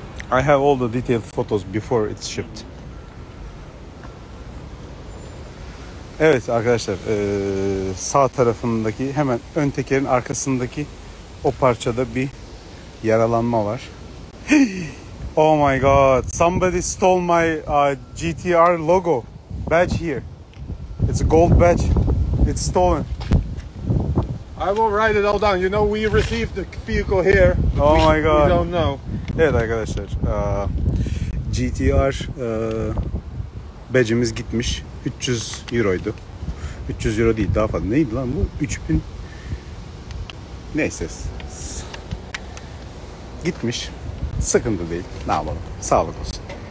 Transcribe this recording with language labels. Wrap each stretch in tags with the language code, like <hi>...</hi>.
<en>I have all the detailed photos before it's shipped.</en> <tr>Evet arkadaşlar, sağ tarafındaki hemen ön tekerin arkasındaki o parçada bir yaralanma var.</tr> <en>Oh my god, somebody stole my GTR logo badge here. It's a gold badge. It's stolen. I will write it all down. You know, we received the vehicle here. Oh my god. We don't know.</en> <tr>Evet arkadaşlar, GTR badge'imiz gitmiş. 300 euroydu. 300 euro değil, daha fazla. Neydi lan bu? 3000. Neyse. Gitmiş. Sıkıntı değil. Ne yapalım? Sağlık olsun.</tr>